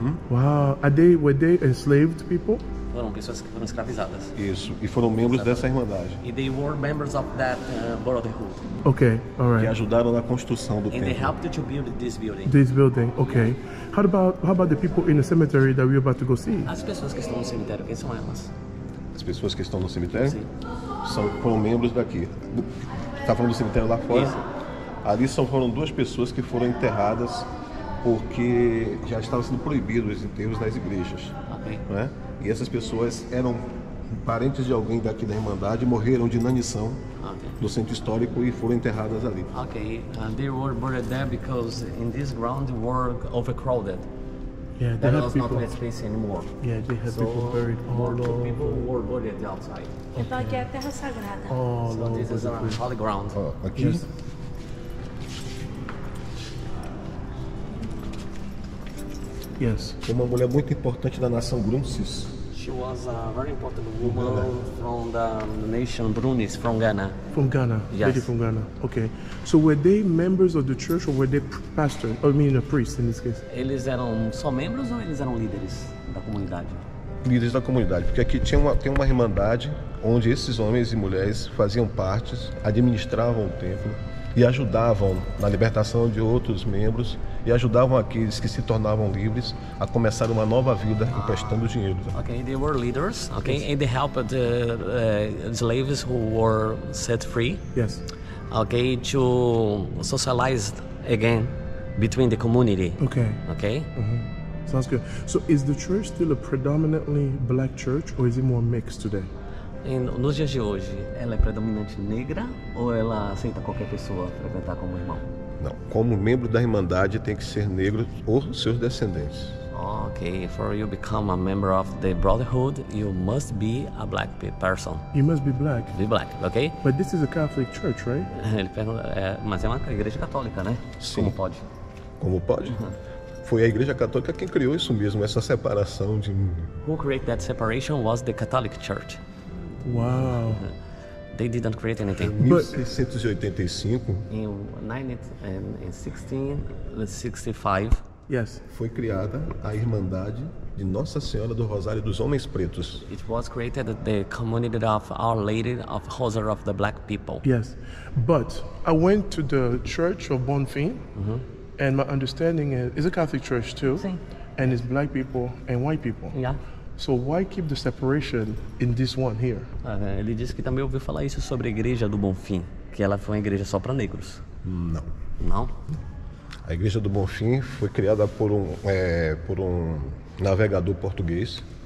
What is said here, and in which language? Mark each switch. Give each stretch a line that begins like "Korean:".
English: Uh-huh. Wow. Were they enslaved people?
Portuguese: Foram pessoas que foram escravizadas. Isso. E foram membros dessa irmandade.
English: And they were members of that brotherhood. Okay, all right.
Portuguese: Que ajudaram na construção do
English: templo. And they helped to build this building. This building, okay. Yeah. How about the people in the cemetery that we're about to go see?
Portuguese: As pessoas que estão no cemitério, quem são elas? As pessoas que estão no cemitério? Sim. Foram membros daqui. Tá falando do cemitério lá fora? Isso. Ali foram duas pessoas que foram enterradas porque já estavam sendo proibidos os enterros das igrejas. Ok. Não é? E essas pessoas eram parentes de alguém daqui da Irmandade, morreram de inanição no centro histórico e foram enterradas ali.
English: Ok, they were buried there because in this ground were overcrowded. Yeah, there was people. Not much space anymore. Yeah, they had so people buried all over. People were buried at the outside.
Portuguese: Okay. Então aqui é a terra sagrada.
English: All so this is place. A holy ground.
Portuguese: Aqui?
English: Yes. Yes.
Portuguese: Uma mulher muito importante da nação Brunsis.
English: She was a very important woman from the nation Brunis, from Ghana. From Ghana. Yes. Lady from Ghana. Okay. So were they members of the church or were they pastors? I mean a priest in this case.
Portuguese: Eles eram só membros ou eles eram líderes da comunidade? Líderes da comunidade, porque aqui tem uma irmandade onde esses homens e mulheres faziam parte, administravam o templo e ajudavam na libertação de outros membros e ajudavam aqueles que se tornavam livres a começar uma nova vida emprestando dinheiro.
English: Okay, they were leaders. Okay, yes. And they helped the slaves who were set free. Yes. Okay, to socialize again between the community. Okay. Okay. Mm-hmm. Sounds good. So, is the church still a predominantly black church or is it more mixed today?
Portuguese: Nos dias de hoje, ela é predominante negra ou ela aceita qualquer pessoa frequentar como irmão? Não, como membro da irmandade tem que ser negro ou seus descendentes.
English: Okay, for you become a member of the brotherhood, you must be a black person. You must be black. Be black, okay? But this is a Catholic church, right?
Portuguese: Ele pergunta, mas é uma igreja católica, né? Sim. Como pode? Como pode? Foi a Igreja Católica quem criou isso mesmo, essa separação de.
English: Who created that separation was the Catholic Church. Wow. They didn't create anything. In 1685. In 1665. Yes.
Portuguese: Foi criada a Irmandade de Nossa Senhora do Rosário dos Homens Pretos.
English: It was created the community of Our Lady of Rosary of the Black People. Yes, but I went to the church of Bonfim, and my understanding is a Catholic church too,
Portuguese: Sim.
English: And it's black people and white people. Yeah. So why keep the separation in this one here?
Portuguese: Ele disse que também ouviu falar isso sobre a igreja do Bonfim, que ela foi uma igreja só para negros. Não. Não? A igreja do Bonfim foi criada por um navegador português.